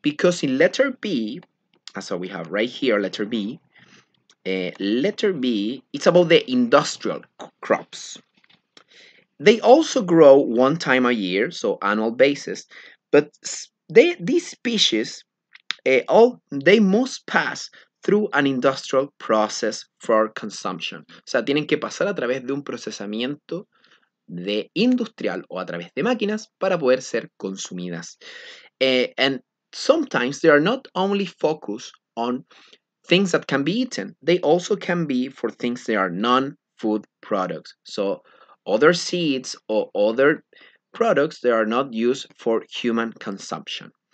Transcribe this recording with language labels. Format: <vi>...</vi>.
<en>Because in letter B, so we have right here, letter B, it's about the industrial crops. They also grow one time a year, so annual basis, but these species must pass through an industrial process for consumption.</en> <es>O sea, tienen que pasar a través de un procesamiento de industrial o a través de máquinas para poder ser consumidas.</es> <en>And sometimes they are not only focused on things that can be eaten. They also can be for things that are non-food products. So other seeds or other products that are not used for human consumption.</en>